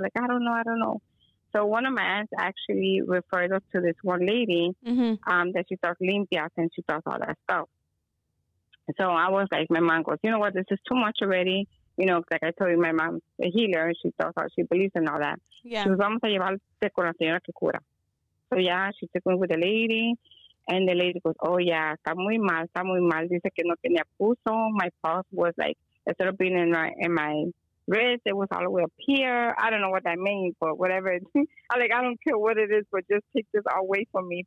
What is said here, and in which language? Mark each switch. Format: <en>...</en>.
<en>Like, I don't know. So one of my aunts actually referred us to this one lady that she does limpias and she does all that stuff. So I was like, my mom goes, you know what, this is too much already. You know, like I told you, my mom's a healer and she talks about, she believes in all that. Yeah. She was,</en> <es>vamos a llevarte con la señora que cura.</es> <en>So, yeah, she took me with the lady and the lady goes, oh, yeah,</en> <es>está muy mal. Dice que no tenía pulso.</es> <en>My pulse was like, instead of being in my wrist, it was all the way up here. I don't know what that means, but whatever. I'm like, I don't care what it is, but just take this away from me.</en>